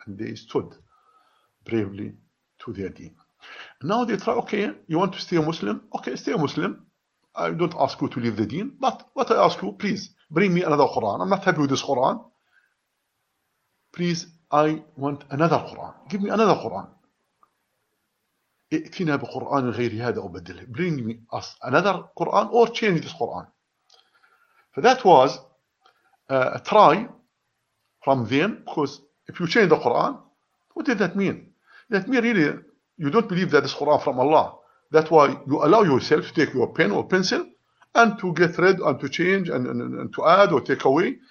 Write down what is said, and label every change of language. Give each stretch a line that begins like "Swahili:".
English: And they stood bravely to their deen. Now they try, okay, you want to stay a Muslim? Okay, stay a Muslim. I don't ask you to leave the deen. But what I ask you, please, bring me another Quran. I'm not happy with this Quran. Please, I want another Quran. Give me another Quran.
Arabic: ائتنا بقرآن غير هذا أو بدله.
English: Bring me us another Quran or change this Quran. That was a try from them, because if you change the Quran, what did that mean? That means really you don't believe that this Quran from Allah. That's why you allow yourself to take your pen or pencil and to get rid and to change and to add or take away.